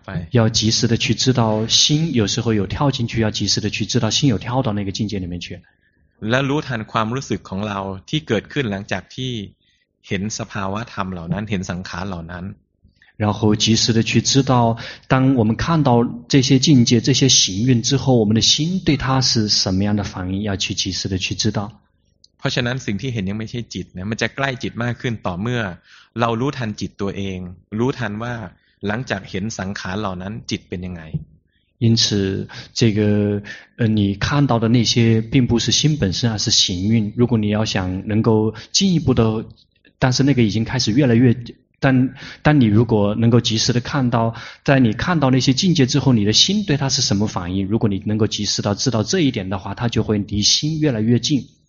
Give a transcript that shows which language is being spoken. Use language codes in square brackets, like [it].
[zh] 要及时的去知道心，有时候有跳进去，要及时的去知道心有跳到那个境界里面去。 [th] และรู้ทันความรู้สึกของเราที่เกิดขึ้นหลังจากที่เห็นสภาวะธรรมเหล่านั้นเห็นสังขารเหล่านั้น [zh] 然后及时的去知道当我们看到这些境界这些行运之后我们的心对它是什么样的反应要去及时的去知道 [th] พราะฉะนั้นสิ่งที่เห็นยังไม่ใช่จิตนะมันจะใกล้จิตมากขึ้นต่อเมื่อเรารู้ทันจิตตัวเองรู้ทันว่าหลังจากเห็นสังขารเหล่านั้นจิตเป็นยังไง [zh] 因此这个你看到的那些并不是心本身而是行运如果你要想能够进一步的但是那个已经开始越来越但你如果能够及时的看到在你看到那些境界之后你的心对它是什么反应如果你能够及时的知道这一点的话它就会离心越来越近